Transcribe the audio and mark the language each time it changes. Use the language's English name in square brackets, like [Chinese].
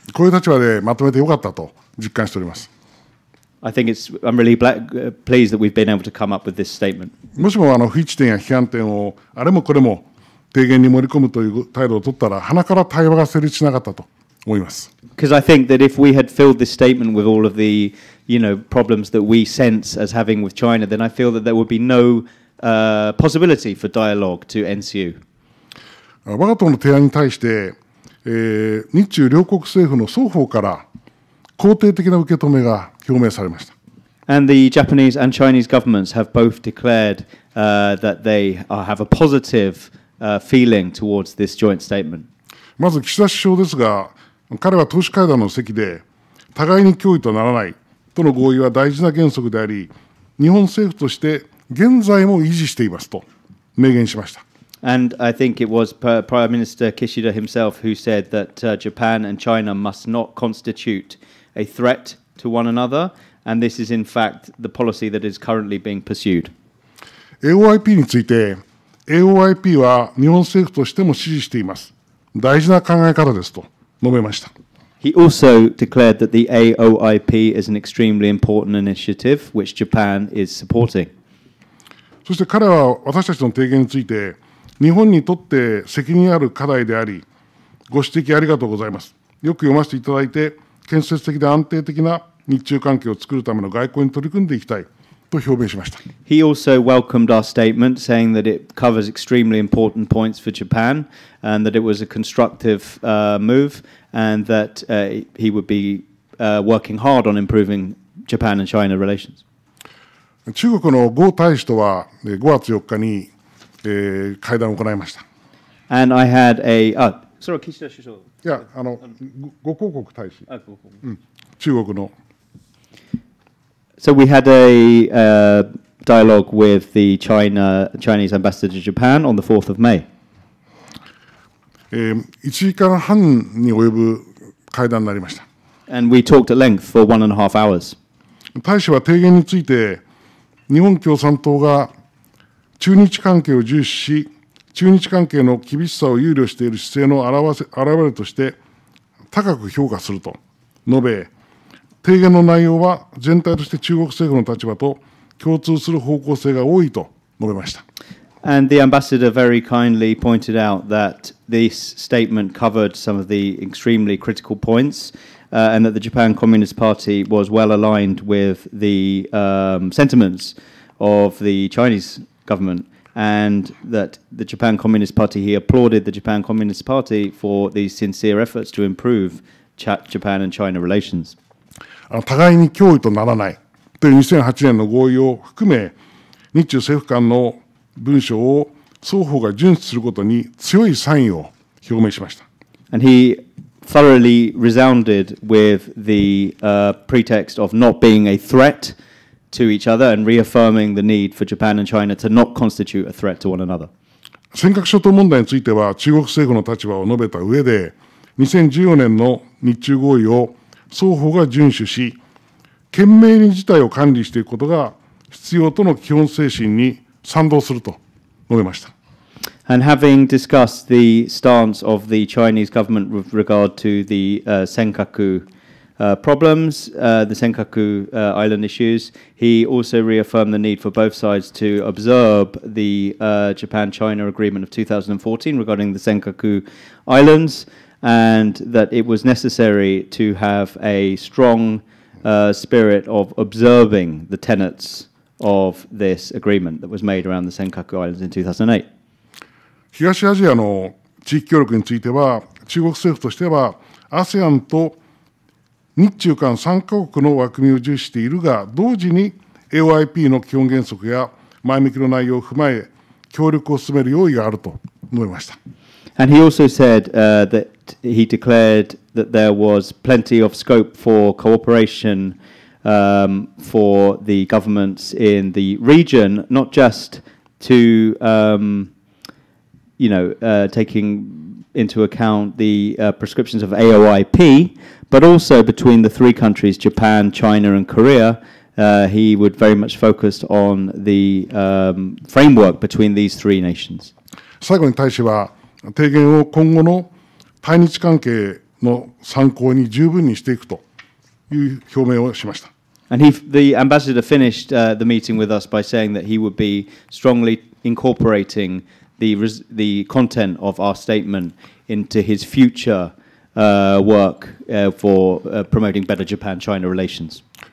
[Japanese] こういう立場でまとめてよかったと実感しております。 [English] I think it's, I'm really pleased that we've been able to come up with this statement. [Japanese] もしも不一致点や批判点をあれもこれも提言に盛り込むという態度を取ったら、鼻から対話が成立しなかったと思います。 [English] Because I think that if we had filled this statement with all of the, you know, problems that we sense as having with China, then I feel that there would be no possibility for dialogue to ensue. [Japanese] 我が党の提案に対して、日中両国政府の双方から肯定的な受け止めが表明されました。 [English] And the Japanese and Chinese governments have both declared that they have a positive feeling towards this joint statement. [Japanese] まず岸田首相ですが、彼は党首会談の席で、互いに脅威とならないとの合意は大事な原則であり、日本政府として現在も維持していますと明言しました。 [English] And I think it was Prime Minister Kishida himself who said that Japan and China must not constitute a threat to one another, and this is in fact the policy that is currently being pursued. [Japanese] AOIP について、AOIP は日本政府としても支持しています。大事な考え方ですと述べました。 [English] He also declared that the AOIP is an extremely important initiative which Japan is supporting. [Japanese] そして彼は私たちの提言について、日本にとって責任ある課題であり、ご指摘ありがとうございます。よく読ませていただいて、建設的で安定的な日中関係を作るための外交に取り組んでいきたいと表明しました。 [English] He also welcomed our statement, saying that it covers extremely important points for Japan, and that it was a constructive move, and that he would be working hard on improving Japan and China relations. [Japanese] 中国の呉大使とは5月4日に、会談を行いました。 [English] And I had a, [Japanese] それは岸田首相。いや、五公国大使。中国の。 [English] So we had a, dialogue with the China, Chinese ambassador to Japan on the 4th of May. [Japanese] 1時間半に及ぶ会談になりました。 [English] And we talked at length for one and a half hours. [Japanese] 大使は提言について、日本共産党が中日関係を重視し、中日関係の厳しさを憂慮している姿勢の表れとして高く評価すると述べ、提言の内容は全体として中国政府の立場と共通する方向性が多いと述べました。 [English] And the ambassador very kindly pointed out that this statement covered some of the extremely critical points, and that the Japan Communist Party was well aligned with the sentiments of the Chinese government, and that the Japan Communist Party, he applauded the Japan Communist Party for these sincere efforts to improve Japan and China relations. [Japanese] 互いに脅威とならないという2008年の合意を含め、日中政府間の文書を双方が遵守することに強い賛意を表明しました。 [English] And he thoroughly resounded with the pretext of not being a threat to each other and reaffirming the need for Japan and China to not constitute a threat to one another. [Japanese] 尖閣諸島問題については中国政府の立場を述べた上で、2014年の日中合意を双方が遵守し、懸命に事態を管理していくことが必要との基本精神に賛同すると述べました。 [English] And having discussed the stance of the Chinese government with regard to the Senkaku problems, the Senkaku island issues, he also reaffirmed the need for both sides to observe the Japan-China agreement of 2014 regarding the Senkaku islands, and that it was necessary to have a strong spirit of observing the tenets of this agreement that was made around the Senkaku islands in 2008. [Japanese] 東アジアの地域協力については、中国政府としては、ASEAN と日中間3カ国の枠組みを重視しているが、同時に AOIP の基本原則や前向きの内容を踏まえ、協力を進める用意があると述べました。 [English] And he also said, that he declared that there was plenty of scope for cooperation, for the governments in the region, not just to, you know, taking into account the prescriptions of AOIP, but also between the three countries, Japan, China, and Korea, he would very much focus on the framework between these three nations. [Japanese] 最後に大使は提言を今後の対日関係の参考に十分にしていくという表明をしました。 [English] And he, the ambassador finished the meeting with us by saying that he would be strongly incorporating the content of our statement into his future work for promoting better Japan-China relations.